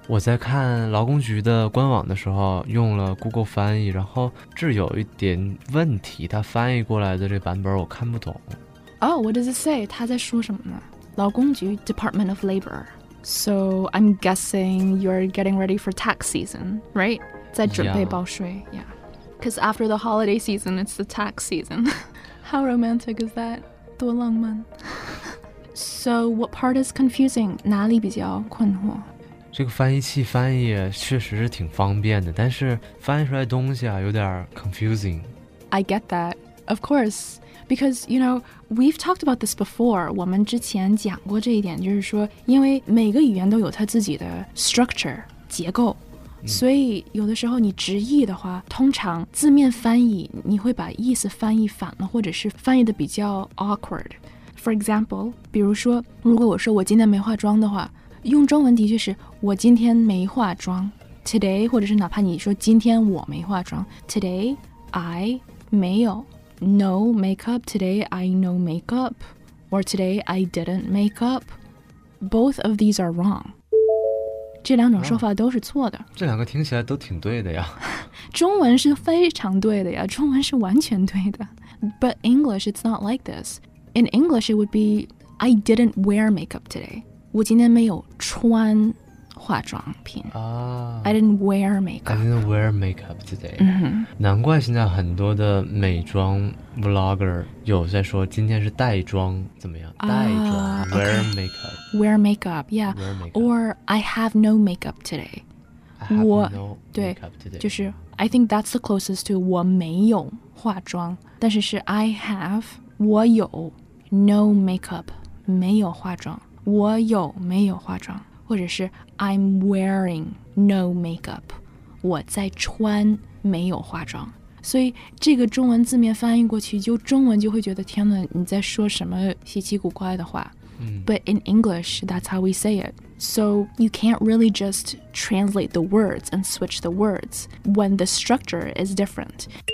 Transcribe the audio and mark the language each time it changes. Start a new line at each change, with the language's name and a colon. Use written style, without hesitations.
Chinese: 我在看劳工局的官网的时候用了 Google 翻译，然后这有一点问题，它翻译过来的这版本我看不懂。
English: Oh, what does it say?
Chinese: 它在说什么呢？
English: 劳工局 Department of Labor. So I'm guessing you're getting ready for tax season, right?
Chinese: 在准备报税 Yeah.
English: Because after the holiday season, it's the tax season. How romantic is that?
Chinese: 多浪漫。
English: So what part is confusing?
Chinese: 哪里比较困惑？这个翻译器翻译确实是挺方便的，但是翻译出来东西啊，有点 confusing.
English: I get that. Of course. Because, you know, we've talked about this before.
Chinese: 我们之前讲过这一点，就是说，因为每个语言都有它自己的 structure, 结构。所以有的时候你直译的话，通常字面翻译你会把意思翻译反了，或者是翻译的比较 awkward。
English: For example,
Chinese: 比如说，如果我说我今天没化妆的话，用中文的确是我今天没化妆 today, 或者是哪怕你说今天我没化妆 today I 没有
English: no makeup, today I no makeup, or today I didn't makeup. Both of these are wrong.
Chinese: 这两种说法都是错的、这两个听起来都挺对的呀中文是非常对的呀中文是完全对的
English: But English, it's not like this In English, it would be I didn't wear makeup today
Chinese: 我今天没有穿化妆品、
English: I didn't wear makeup I didn't wear makeup today、 mm-hmm.
Chinese: 难怪现在很多的美妆 vlogger 有在说今天是带妆怎么样、带妆 wear、
English: okay. makeup Wear makeup, yeah. Or I have no makeup today. I have
Chinese: 我,
English: no makeup today. 就是 I think that's the closest to
Chinese: 我没有化妆。但是是
English: I have,
Chinese: 我有
English: no makeup,
Chinese: 没有化妆。我有没有化妆。或者是
English: I'm wearing no makeup,
Chinese: 我在穿没有化妆。所以这个中文字面翻译过去就中文就会觉得天哪你在说什么稀奇古怪的话。
English: But in English, that's how we say it. So you can't really just translate the words and switch the words when the structure is different.